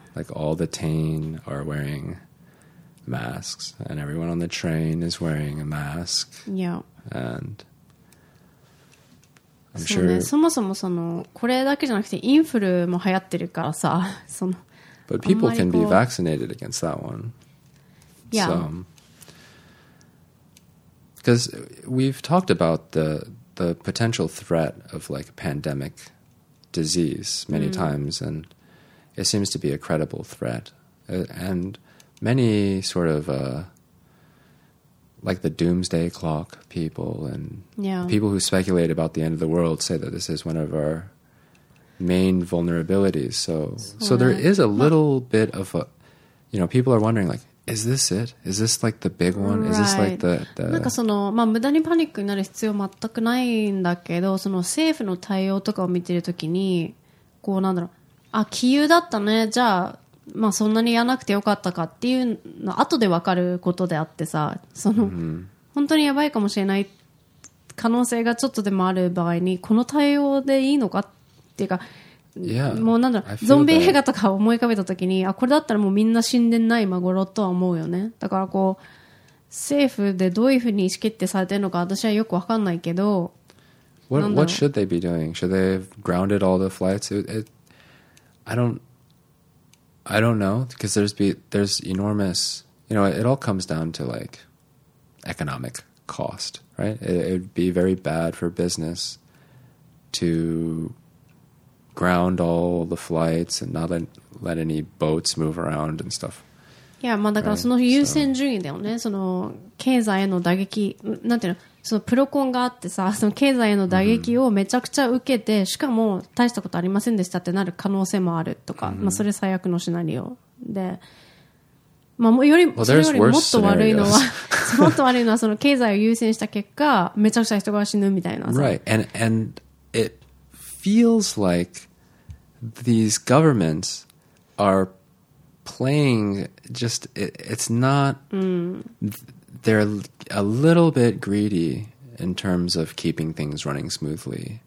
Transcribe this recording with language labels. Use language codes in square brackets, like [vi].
[en] Like all the Tain are wearing masks and everyone on the train is wearing a mask. Yeah. And I'm sure. [ja] そもそもこれだけじゃなくてインフルも流行ってるからさ、 [en] But people can be vaccinated against that one. Yeah. Because we've talked about the potential threat of like a pandemic disease many times, and it seems to be a credible threat. And many sort of. Like the doomsday clock people and、 yeah. people who speculate about the end of the world say that this is one of our main vulnerabilities. So there is a little bit of a, you know, people are wondering like, is this it? Is this like the big one? Is this like the... [ja] なんかまあ無駄にパニックになる必要は全くないんだけど、政府の対応とかを見てるときに、こうなんだろう、あ、杞憂だったね、じゃあ、まあ、そんなにやらなくてよかったかっていうの後で分かることであってさ、本当にやばいかもしれない可能性がちょっとでもある場合にこの対応でいいのかっていうか、 [en] yeah, [ja] もうなんだろう、ゾンビ映画とか思い浮かべた時に、あ、これだったらもうみんな死んでない今頃とは思うよね。だからこう政府でどういうふうに意思決定されてるのか私はよく分かんないけど、 [en] What should they be doing? Should they have grounded all the flights? I don't know because there's enormous, you know, it all comes down to like economic cost, right? It'd be very bad for business to ground all the flights and not let any boats move around and stuff. [ja] Yeah, まあだからその優先順位だよね。その経済への打撃、なんていうの、そのプロコンがあってさ、その経済への打撃をめちゃくちゃ受けて、しかも大したことありませんでしたってなる可能性もあるとか、まあ、それ最悪のシナリオで、まあ、それよりもっと悪いのはもっと悪いのはその経済を優先した結果めちゃくちゃ人が死ぬみたいな。 [en] Right, and it feels like these governments are playing just, it's not、 [ja] うん、 [en] they're a little bit greedy in terms of keeping things running smoothly.